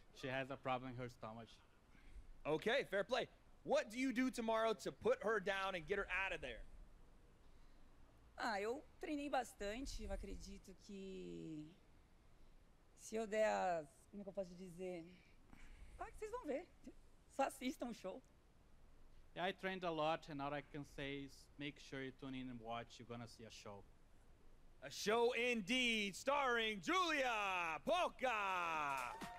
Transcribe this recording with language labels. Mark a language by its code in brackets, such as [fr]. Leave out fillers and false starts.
[en] She has a problem in her stomach. Okay, fair play. What do you do tomorrow to put her down and get her out of there? [pt] Ah, eu treinei bastante. Eu acredito que se eu der as... Como é que eu posso dizer? Claro que vocês vão ver. Só assistam o show. [en] Yeah, I trained a lot, and all I can say is make sure you tune in and watch. You're gonna see a show. A show indeed, starring Julia Poca!